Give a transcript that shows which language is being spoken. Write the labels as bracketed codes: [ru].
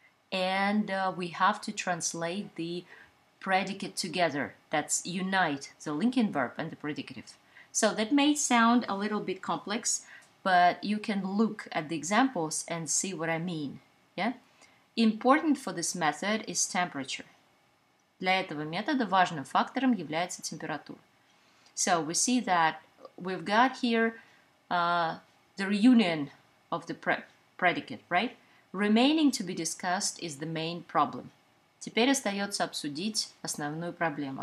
[en] And we have to translate the predicate together. That's unite the linking verb and the predicative. So that may sound a little bit complex, but you can look at the examples and see what I mean. Yeah? Important for this method is temperature. [ru] Для этого метода важным фактором является температура. [en] So we see that we've got here the reunion of the predicate, right? Remaining to be discussed is the main problem. [ru] Теперь остается обсудить основную проблему.